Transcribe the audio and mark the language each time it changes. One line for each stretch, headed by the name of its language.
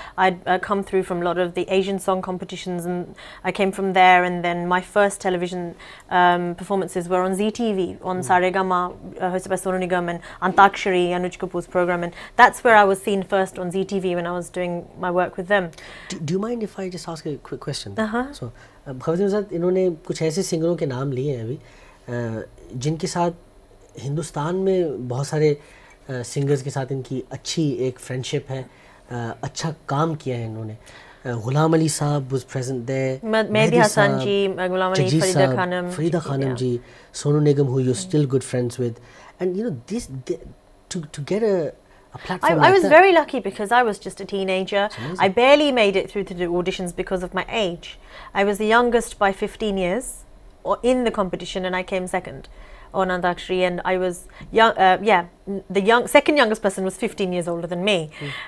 English: I'd come through from a lot of the Asian song competitions and I came from there, and then my first television performances were on ZTV, on Saregama, hosted by Sonu Nigam, and Antakshari, Anuj Kapoor's program. And that's where I was seen first on ZTV when I was doing my work with them. Do you mind if I just ask a quick question? Uh-huh.
Hindi: So, भवदीन साहब, इन्होंने कुछ ऐसे सिंगरों के नाम लिए हैं अभी जिनके साथ हिंदुस्तान में बहुत सारे सिंगर्स के साथ इनकी अच्छी एक फ्रेंडशिप है, अच्छा काम किया है इन्होंने.
English: Ghulam Ali sahab was present there, Mehdi Hassan ji, Ghulam Ali, Farida Khanum ji, Sonu Nigam, who you are still good friends with. And you know this to get I was very lucky because I was just a teenager. I barely made it through to the auditions because of my age. I was the youngest by 15 years in the competition, and I came second on Antakshari. And I was young, second youngest person was 15 years older than me. Mm.